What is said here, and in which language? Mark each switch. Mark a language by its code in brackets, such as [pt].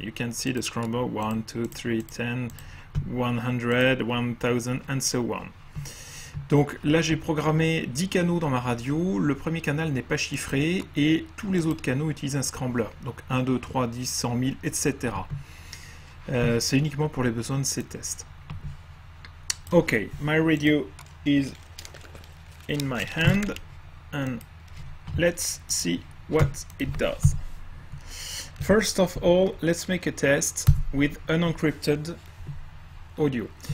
[en] You can see the scrambler 1, 2, 3, 10, 100, 1000, and so on. [fr] Donc là, j'ai programmé 10 canaux dans ma radio. Le premier canal n'est pas chiffré et tous les autres canaux utilisent un scrambler. Donc 1, 2, 3, 10, 100, 1000, etc. C'est uniquement pour les besoins de ces tests. [en] Ok, my radio is in my hand and let's see what it does. First of all, let's make a test with unencrypted audio.